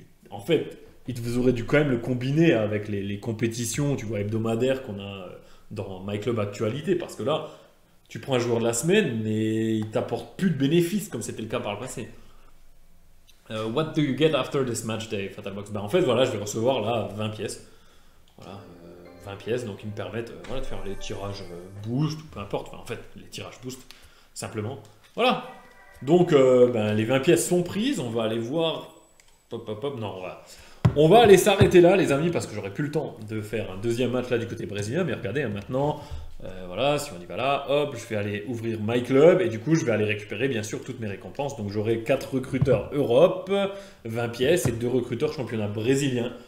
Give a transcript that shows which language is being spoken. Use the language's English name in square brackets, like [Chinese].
[French] En fait, ils auraient dû quand même le combiner avec les compétitions, tu vois, hebdomadaires qu'on a dans MyClub Actualité, parce que là, tu prends un joueur de la semaine et il t'apporte plus de bénéfices, comme c'était le cas par le passé. [English] What do you get after this match day, Fatalbox? [French] Ben en fait, voilà, je vais recevoir là 20 pièces. Voilà, 20 pièces, donc ils me permettent voilà, de faire les tirages boost, ou peu importe, enfin, en fait, les tirages boost, simplement. Voilà. Donc, ben, les 20 pièces sont prises, on va aller voir. Hop. Non, voilà. On va aller s'arrêter là, les amis, parce que j'aurais plus le temps de faire un deuxième match là du côté brésilien, mais regardez, hein, maintenant, voilà, si on y va là, hop, je vais aller ouvrir My Club, et du coup, je vais aller récupérer, bien sûr, toutes mes récompenses, donc j'aurai 4 recruteurs Europe, 20 pièces, et 2 recruteurs championnat brésilien.